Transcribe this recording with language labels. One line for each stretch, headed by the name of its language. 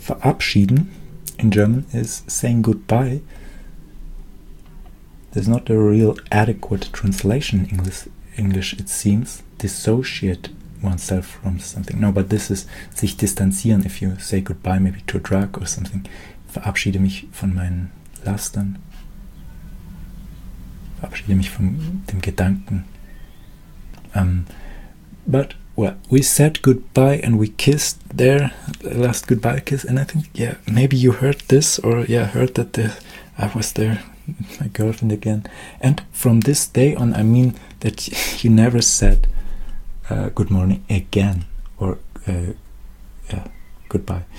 English: Verabschieden in German is saying goodbye. There's not a real adequate translation in English, it seems. Dissociate oneself from something. No, but this is
German: sich distanzieren,
English: if you say goodbye maybe to a drug or something.
German: Verabschiede mich von meinen Lastern. Verabschiede mich von dem Gedanken.
English: But, well, we said goodbye and we kissed there, the last goodbye kiss. And I think, yeah, maybe you heard this, or yeah, heard that I was there, my girlfriend again. And from this day on, I mean that you never said good morning again, or goodbye.